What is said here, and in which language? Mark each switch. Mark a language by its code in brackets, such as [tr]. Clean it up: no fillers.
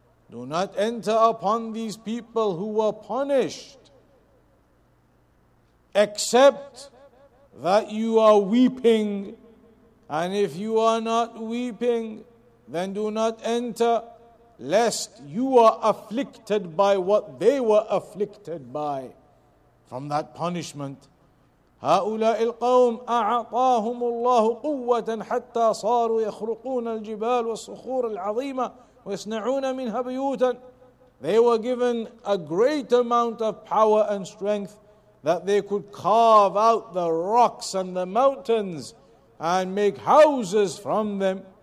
[en] Do not enter upon these people who were punished, except that you are weeping. And if you are not weeping, then do not enter, lest you are afflicted by what they were afflicted by from that punishment. [ar] هؤلاء القوم أعطاهم الله قوة حتى صاروا يخرقون الجبال والصخور العظيمة ويصنعون منها بيوتا. [en] They were given a great amount of power and strength that they could carve out the rocks and the mountains and make houses from them.